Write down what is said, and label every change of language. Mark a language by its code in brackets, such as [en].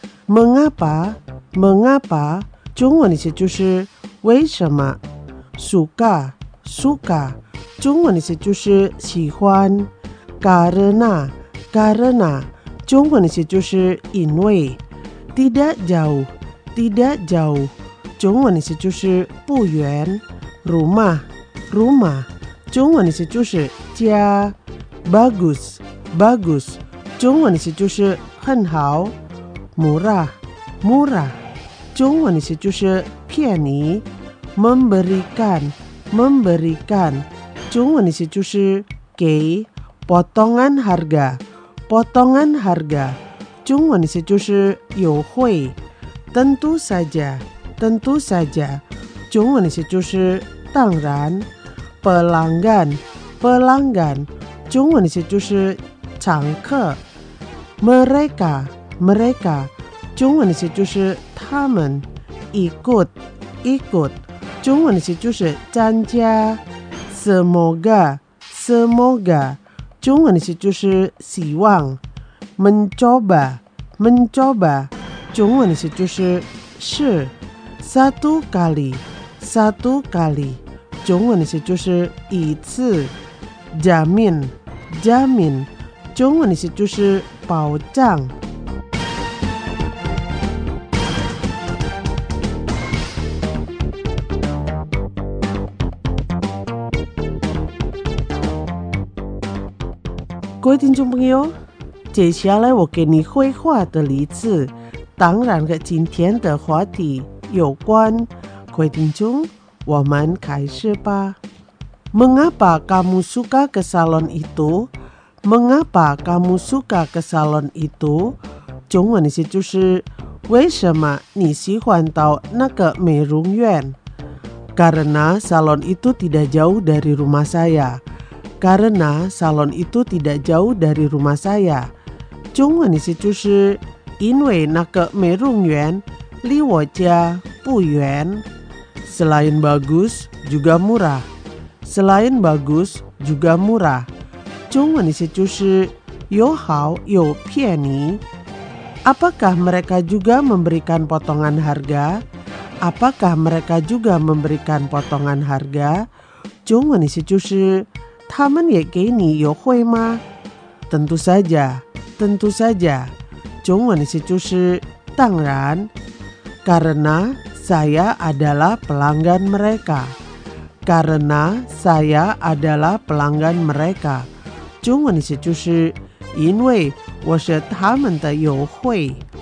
[id] Mengapa， Mengapa [zh] 中文是就是为什么。 [id] Suka， Suka [zh] 中文是就是喜欢。 [id] Karena， Karena [zh] 中文是就是因为。 [id] Tidak jauh， Tidak jauh [zh] 中文是就是不远。 [id] Rumah， Rumah [zh] 中文是就是家。 [id] Bagus， Bagus [zh] 中文是就是很好。 [id] Murah， Murah [zh] 中文是就是便宜。 [id] Memberikan， Memberikan [zh] 中文是就是给。 [id] Potongan harga， Potongan harga [zh] 中文是就是优惠。 [id] Tentu saja，Tentu saja [zh] 中文是就是当然。 [id] Pelanggan， Pelanggan [zh] 中文是就是常客。 [id] Mereka， Mereka [zh] 中文是就是他们。 [id] Ikut， Ikut [zh] 中文是就是参加。 [id] Semoga， Semoga [zh] 中文是就是希望。 [id] Mencoba， Mencoba [zh] 中文是就是试。 [id] Satu kali， Satu kali [zh] 中文是就是一次。 [id] Jamin， Jamin [zh] 中文是就是保障。各位听众朋友，接下来我给你绘画的例子当然和今天的话题有关，规定中我们开始吧。 [id] Mengapa kamu suka ke salon itu？ Mengapa kamu suka ke salon itu？ [zh] 中文是就是为什么你喜欢到那个美容院。 [id] Karena salon itu tidak jauh dari rumah saya。 Karena salon itu tidak jauh dari rumah saya。 [zh] 中文是就是因为那个美容院离我家不远。 [id] Selain bagus juga murah， Selain bagus juga murah [zh] 中文是就是又好又便宜。 [id] Apakah mereka juga memberikan potongan harga？ Apakah mereka juga memberikan potongan harga？ [zh] 中文是就是他们也给你优惠吗？ [id] Tentu saja， Tentu saja [zh] 中文是就是当然。 [id] Karena saya adalah pelanggan mereka， Karena saya adalah pelanggan mereka [zh] 中文是就是因为我是他们的优惠。